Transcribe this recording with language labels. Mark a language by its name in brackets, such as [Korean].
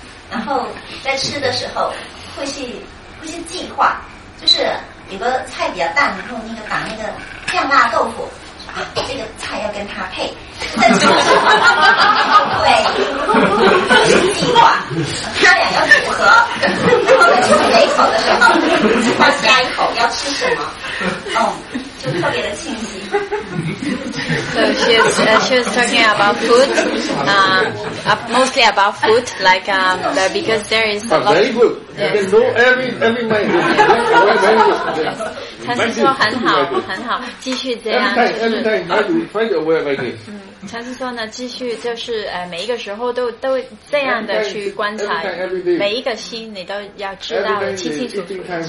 [Chinese] 然后在吃的时候会去计划，就是有个菜比较淡，然后那个打那个酱辣豆腐，这个菜要跟它配。在吃的时候，对，就是计划，他俩要组合。然后在吃每一口的时候，计划下一口要吃什么，就特别的清晰。 [English] So she's talking about food, mostly about food, like, because there is a lot. Very good. Yes. You can know every night. Yes. [Chinese] 他是说很好很好，继续这样。 [English] Every time, [Chinese] 他是说呢，继续就是每一个时候都这样的去观察，每一个心你都要知道的清清楚楚。